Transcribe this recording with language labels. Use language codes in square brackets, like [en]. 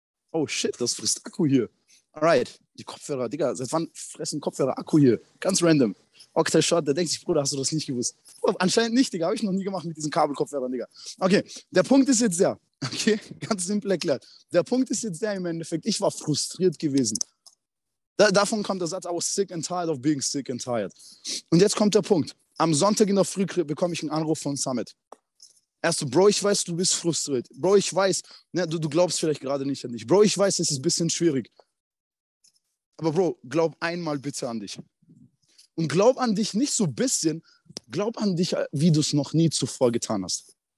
[en] Oh shit, [de] das frisst Akku hier. Alright, die Kopfhörer, Digga, seit wann fressen Kopfhörer Akku hier? Ganz random. Octal Shot, der denkt sich, Bruder, hast du das nicht gewusst? Bruder, anscheinend nicht, Digga, habe ich noch nie gemacht mit diesen Kabelkopfhörern, Digga. Okay, der Punkt ist jetzt der, okay, ganz simpel erklärt. Der Punkt ist jetzt der im Endeffekt, ich war frustriert gewesen. Davon kommt der Satz, [en] I was sick and tired of being sick and tired. [de] Und jetzt kommt der Punkt. Am Sonntag in der Früh bekomme ich einen Anruf von Summit. Er so, Bro, ich weiß, du bist frustriert. Bro, ich weiß, ne, du glaubst vielleicht gerade nicht an dich. Bro, ich weiß, es ist ein bisschen schwierig. Aber Bro, glaub einmal bitte an dich. Und glaub an dich nicht so ein bisschen, glaub an dich, wie du es noch nie zuvor getan hast.